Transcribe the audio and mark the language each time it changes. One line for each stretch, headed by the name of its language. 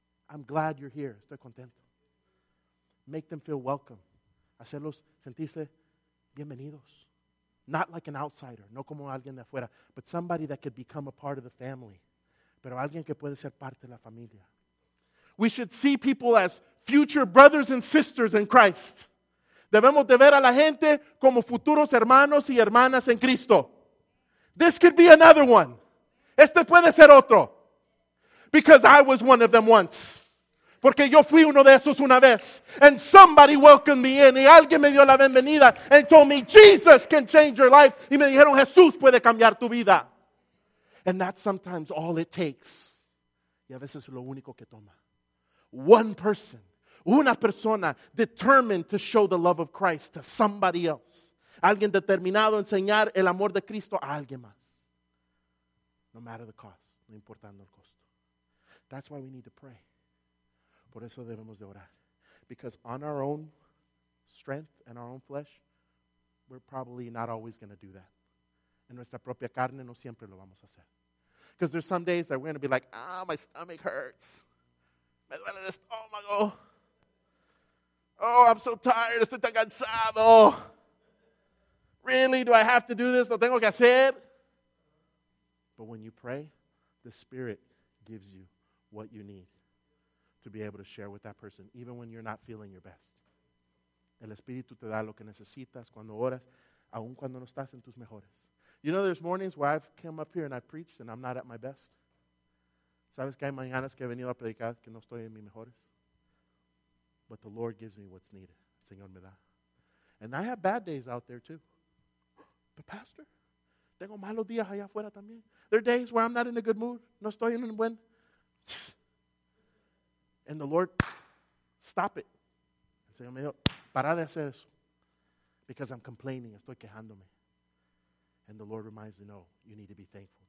English: I'm glad you're here.
Spanish: Estoy contento.
English: Make them feel welcome.
Spanish: hacerlos sentirse bienvenidos.
English: Not like an outsider,
Spanish: no como alguien de afuera,
English: but somebody that could become a part of the family.
Spanish: Pero alguien que puede ser parte de la familia.
English: We should see people as future brothers and sisters in Christ.
Spanish: Debemos de ver a la gente como futuros hermanos y hermanas en Cristo.
English: This could be another one.
Spanish: Este puede ser otro.
English: Because I was one of them once.
Spanish: Porque yo fui uno de esos una vez.
English: And somebody welcomed me in.
Spanish: Y alguien me dio la bienvenida.
English: And told me, Jesus can change your life.
Spanish: Y me dijeron, Jesús puede cambiar tu vida.
English: And that's sometimes all it takes.
Spanish: Y a veces lo único que toma.
English: One person.
Spanish: Una persona
English: determined to show the love of Christ to somebody else.
Spanish: Alguien determinado a enseñar el amor de Cristo a alguien más.
English: No matter the cost.
Spanish: No importando el costo.
English: That's why we need to pray.
Spanish: Por eso debemos de orar.
English: Because on our own strength and our own flesh, we're probably not always going to do that.
Spanish: En nuestra propia carne no siempre lo vamos a hacer.
English: Because there's some days that we're going to be like, ah, my stomach hurts.
Spanish: Me duele el estómago.
English: Oh, I'm so tired.
Spanish: Estoy tan cansado.
English: Really, do I have to do this?
Spanish: ¿Lo tengo que hacer?
English: But when you pray, the Spirit gives you what you need to be able to share with that person, even when you're not feeling your best.
Spanish: El Espíritu te da lo que necesitas cuando oras, aun cuando no estás en tus mejores.
English: You know, there's mornings where I've come up here and I preached and I'm not at my best.
Spanish: ¿Sabes que hay mañanas que he venido a predicar que no estoy en mis mejores?
English: But the Lord gives me what's needed.
Spanish: El Señor me da.
English: And I have bad days out there too. But Pastor,
Spanish: tengo malos días allá afuera también.
English: There are days where I'm not in a good mood.
Spanish: No estoy en un buen.
English: And the Lord, stop it.
Spanish: El Señor me dijo, para de hacer eso.
English: Because I'm complaining,
Spanish: estoy quejándome.
English: And the Lord reminds me, no, you need to be thankful.